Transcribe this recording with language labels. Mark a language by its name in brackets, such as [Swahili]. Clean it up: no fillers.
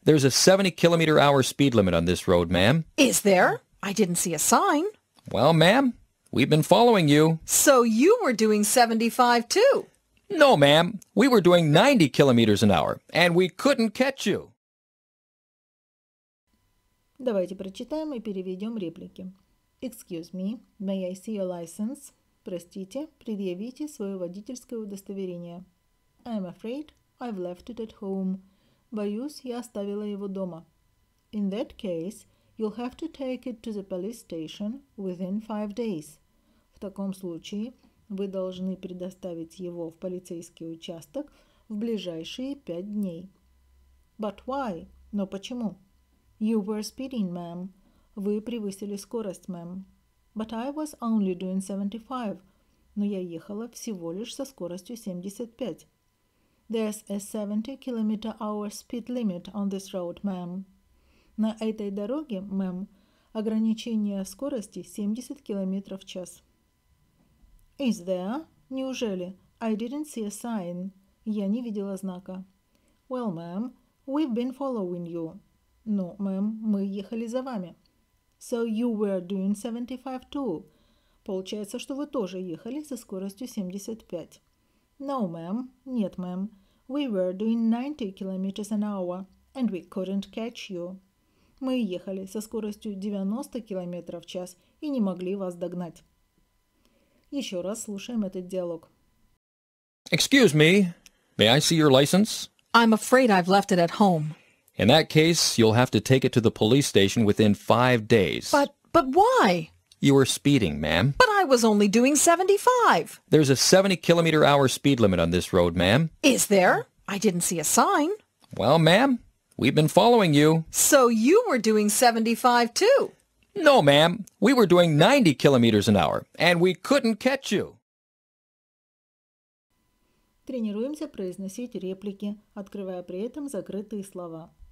[English] There's a 70 km/h speed limit on this road, ma'am. Is there? I didn't see a sign. Well, ma'am, we've been following you. So you were doing 75 too? No, ma'am. We were doing 90 km/h, and we couldn't catch you. [Russian] Давайте прочитаем и переведем реплики. [English] Excuse me, may I see your license? [Russian] Простите, предъявите свое водительское удостоверение. [English] I'm afraid I've left it at home. [Russian] Боюсь, я оставила его дома. [English] In that case, you'll have to take it to the police station within 5 days. [Russian] В таком случае, вы должны предоставить его в полицейский участок в ближайшие 5 дней. [English] But why? [Russian] Но почему? [English] You were speeding, ma'am. [Russian] Вы превысили скорость, мэм. [English] But I was only doing 75. [Russian] Но я ехала всего лишь со скоростью 75. [English] There's a 70 km/h speed limit on this road, ma'am. [Russian] На этой дороге, мэм, ограничение скорости 70 км/ч. [English] Is there? [Russian] Неужели? [English] I didn't see a sign. [Russian] Я не видела знака. [English] Well, ma'am, we've been following you. [Russian] Но, мэм, мы ехали за вами. [English] So you were doing 75 too. [Russian] Получается, что вы тоже ехали со скоростью 75. [English] No, ma'am. [Russian] Нет, [English] ma'am. We were doing 90 km/h and we couldn't catch you. [Russian] Мы ехали со скоростью 90 км/ч и не могли вас догнать. Еще раз слушаем этот диалог. [English] Excuse me. May I see your license? I'm afraid I've left it at home. In that case, you'll have to take it to the police station within 5 days. But why? You were speeding, ma'am. But I was only doing 75. There's a 70 km/h speed limit on this road, ma'am. Is there? I didn't see a sign. Well, ma'am, we've been following you. So you were doing 75 too? No, ma'am. We were doing 90 km/h, and we couldn't catch you. [Russian] Тренируемся произносить реплики, открывая при этом закрытые слова.